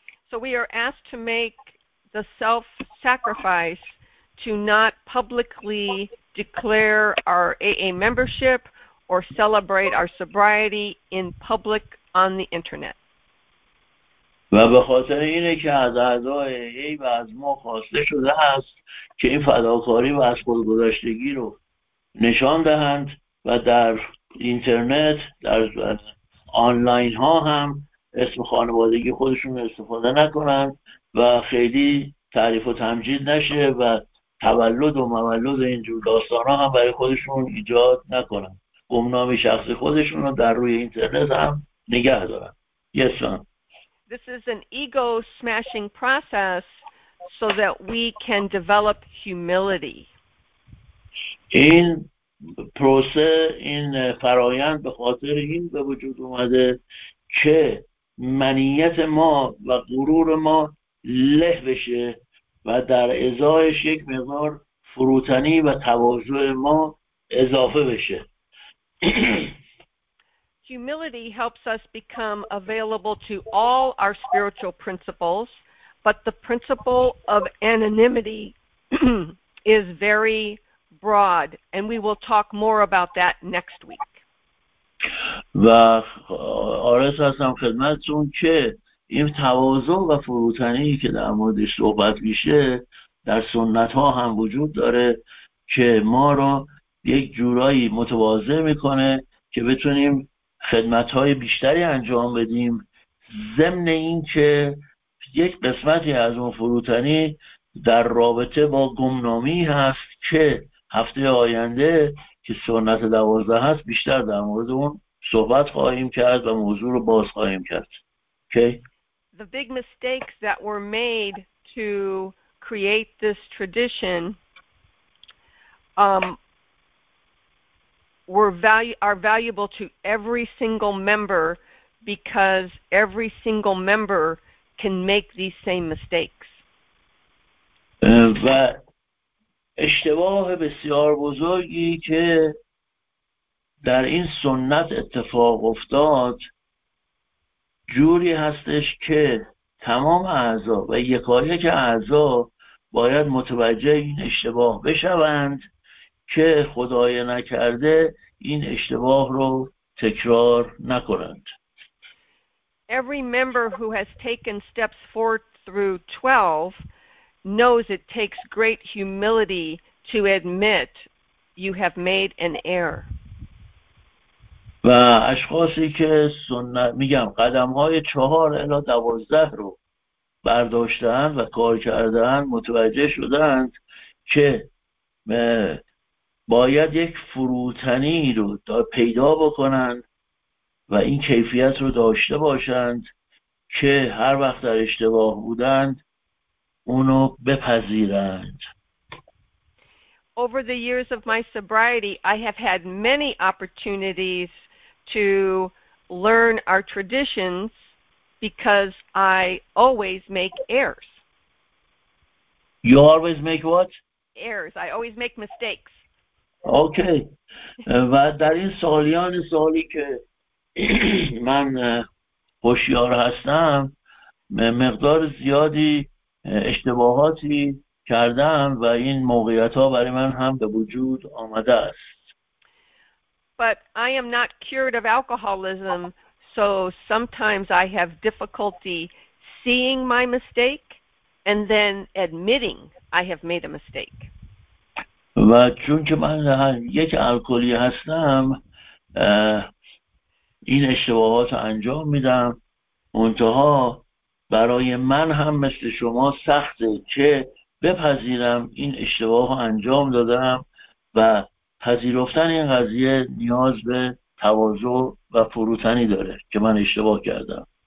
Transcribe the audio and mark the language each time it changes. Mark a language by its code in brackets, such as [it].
[en] So we are asked to make the self-sacrifice to not publicly declare our AA membership or celebrate our sobriety in public on the internet. [fa] و به خاطر اینه که از اعضای AA و از ما خواسته شده است که این فداکاری و از خود گذشتگی رو نشان دهند و در اینترنت در آنلاین ها هم اسم خانوادگی خودشون استفاده نکنن و خیلی تعریف و تمجید نشه و تولد و مولد اینجور داستان ها هم برای خودشون ایجاد نکنن. گمنامی شخص خودشون رو در روی اینترنت هم نگه دارن. [en] Yes, ma'am. This is an ego smashing process so that we can develop humility. [fa] این پروسه، این فرایند به خاطر این به وجود اومده که منیت ما و غرور ما له بشه و در ازایش یک مقدار فروتنی و تواضع ما اضافه بشه. [en] Humility helps us become available to all our spiritual principles, but the principle of anonymity is very broad, and we will talk more about that next week. [fa] و آرز هستم خدمتتون که این تواضع و فروتنی که در موردش صحبت میشه در سنت ها هم وجود داره که ما رو یک جورایی متواضع میکنه که بتونیم خدمت های بیشتری انجام بدیم، ضمن این که یک قسمتی از اون فروتنی در رابطه با گمنامی هست که هفته آینده که سنت 12 هست بیشتر در مورد اون صحبت خواهیم کرد و موضوع رو باز خواهیم کرد. Okay. [en] the big mistakes that were made to create this tradition are valuable to every single member, because every single member can make these same mistakes. [fa] و اشتباه بسیار بزرگی که در این سنت اتفاق افتاد جوری هستش که تمام اعضا و یکایک اعضا باید متوجه این اشتباه بشوند که خدای نکرده این اشتباه رو تکرار نکنند. [en] Every member who has taken steps 4 through 12 knows it takes great humility to admit you have made an error. [fa] و اشخاصی که سنت میگم قدم‌های 4 الی 12 رو برداشتند و کار کردند متوجه شدند که باید یک فروتنی رو پیدا بکنند و این کیفیت رو داشته باشند که هر وقت در اشتباه بودند اونو بپذیرند. [en] Over the years of my sobriety, I have had many opportunities to learn our traditions because I always make errors. You always make what? Errors. I always make mistakes. Okay. [fa] و در این سالیان سالی که من هوشیار هستم مقدار زیادی اشتباهاتی کردم و این موقعیت ها برای من هم به وجود آمده است. [en] But I am not cured of alcoholism, so sometimes I have difficulty seeing my mistake and then admitting I have made a mistake. [fa] و چون که من یک الکلی هستم این اشتباهات انجام میدم، منتها برای من هم مثل شما سخته که بپذیرم این اشتباهو انجام دادم و پذیرفتن این قضیه نیاز به تواضع و فروتنی داره که من اشتباه کردم.